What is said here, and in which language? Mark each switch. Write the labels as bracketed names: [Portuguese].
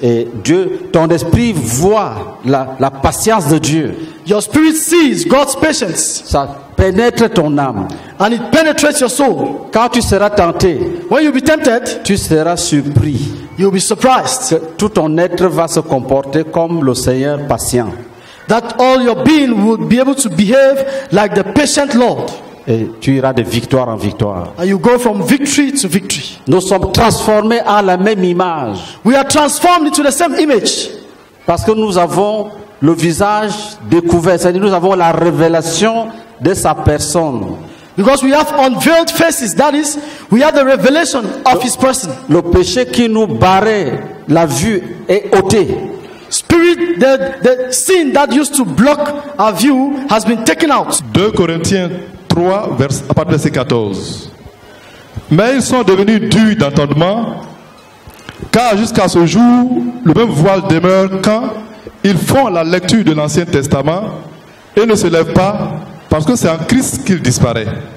[French] Et Dieu, ton esprit voit la patience de Dieu. [English] Your spirit sees God's patience. [French] Ça pénètre ton âme. [English] And it penetrates your soul. [French] Quand tu seras tenté, [English] when you'll be tempted, [French] tu seras surpris. [English] You'll be surprised. [French] Que tout ton être va se comporter comme le Seigneur patient. [English] That all your being would be able to behave like the patient Lord. [French] Et tu iras de victoire en victoire. [English] And you go from victory to victory. [French] Nous sommes transformés à la même image. [English] We are transformed into the same image. [French] Parce que nous avons le visage découvert, c'est-à-dire nous avons la révélation de sa personne. [English] Because we have unveiled faces, that is, we have the revelation of his person. [French] Le péché qui nous barrait la vue est ôté. [English] Spirit, the sin that used to block our view has been taken out. [French] 2 Corinthiens 3, verset 14. Mais ils sont devenus durs d'entendement, car jusqu'à ce jour, le même voile demeure quand ils font la lecture de l'Ancien Testament et ne se lèvent pas, parce que c'est en Christ qu'il disparaît.